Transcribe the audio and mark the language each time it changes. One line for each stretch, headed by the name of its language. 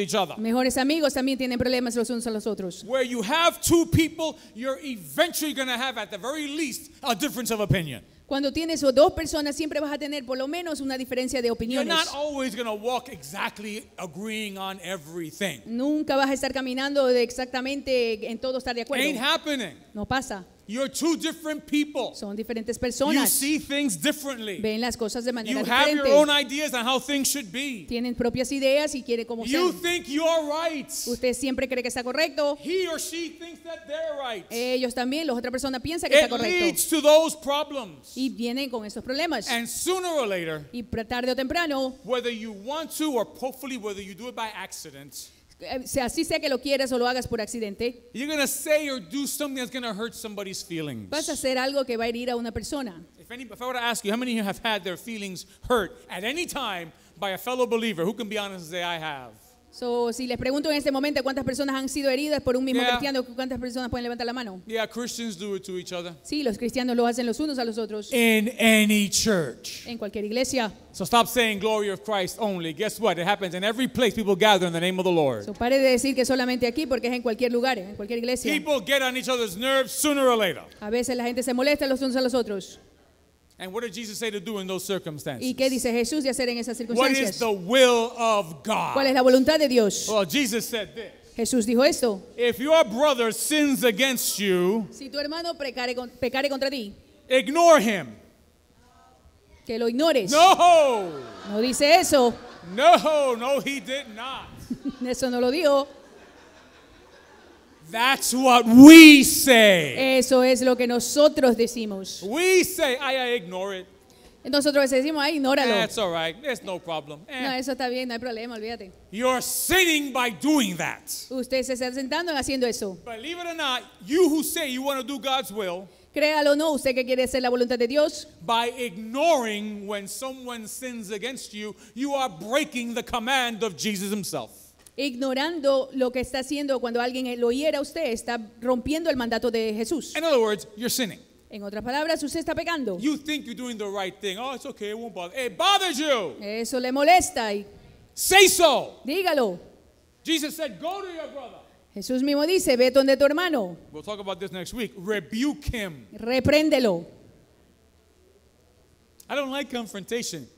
English: with each other.
Spanish: Mejores amigos también tienen problemas los unos a los otros.
English: Where you have two people, you're eventually going to have, at the very least, a difference of opinion.
Spanish: Cuando tienes dos personas, siempre vas a tener por lo menos una diferencia de opiniones.
English: You're not always going to walk exactly agreeing on everything.
Spanish: Nunca vas a estar caminando de exactamente en todo estar de acuerdo.
English: Ain't happening.
Spanish: No pasa.
English: You're two different people.
Spanish: Son diferentes personas.
English: You see things differently.
Spanish: Ven las cosas de manera
English: you
Spanish: diferente.
English: Have your own ideas on how things should be.
Spanish: Tienen propias ideas y quiere como
English: you
Spanish: sean.
English: Think you're right.
Spanish: Usted siempre cree que está correcto.
English: He or she thinks that they're right.
Spanish: Ellos también, la otra persona piensa
English: it
Spanish: que está correcto.
English: Leads to those problems.
Spanish: Y vienen con esos problemas.
English: And sooner or later,
Spanish: y tarde o temprano,
English: whether you want to or hopefully whether you do it by accident,
Spanish: así sea que lo quieras o lo hagas por accidente,
English: you're going to say or do something that's going to hurt somebody's feelings.
Spanish: Vas a hacer algo que va a herir a una persona.
English: If I were to ask you, how many of you have had their feelings hurt at any time by a fellow believer, who can be honest and say I have?
Spanish: So, si les pregunto en este momento cuántas personas han sido heridas por un mismo cristiano, cuántas personas pueden levantar la mano.
English: Yeah, Christians do it to each other.
Spanish: Sí, los cristianos lo hacen los unos a los otros.
English: In any church.
Spanish: En cualquier iglesia.
English: So stop saying glory of Christ only. Guess what? It happens in every place people gather in the name of the Lord.
Spanish: So pare de decir que solamente aquí porque es en cualquier lugar, en cualquier iglesia.
English: People get on each other's nerves sooner or later.
Spanish: A veces la gente se molesta los unos a los otros.
English: And what did Jesus say to do in those circumstances?
Spanish: ¿Y qué dice Jesús de hacer en esas circunstancias?
English: What is the will of God?
Spanish: ¿Cuál es la voluntad de Dios?
English: Well, Jesus said this.
Spanish: Jesús dijo esto.
English: If your brother sins against you,
Spanish: si tu hermano pecare contra ti,
English: ignore him.
Spanish: Que lo ignores.
English: No!
Spanish: No dice eso.
English: No, no, he did not.
Spanish: Eso no lo dijo.
English: That's what we say.
Spanish: Eso es lo que nosotros decimos.
English: We say, I ignore it.
Spanish: Nosotros decimos, ay, ignóralo.
English: That's all right. There's no problem.
Spanish: No, eso está bien, no hay problema, olvídate.
English: You're sinning by doing that.
Spanish: Usted se está sentando haciendo eso.
English: Believe it or not, you who say you want to do God's will.
Spanish: Créalo o no, usted que quiere hacer la voluntad de Dios.
English: By ignoring when someone sins against you, you are breaking the command of Jesus himself.
Spanish: Ignorando lo que está haciendo cuando alguien lo hiera a usted, está rompiendo el mandato de Jesús.
English: In other words, you're sinning.
Spanish: En otras palabras, usted está pecando.
English: You think you're doing the right thing. Oh, it's okay, it won't bother. It bothers you.
Spanish: Eso le molesta.
English: Say so.
Spanish: Dígalo.
English: Jesus said, go to your brother.
Spanish: Jesús mismo dice, ve donde tu hermano.
English: We'll talk about this next week. Rebuke him.
Spanish: Repréndelo.
English: I don't like confrontation.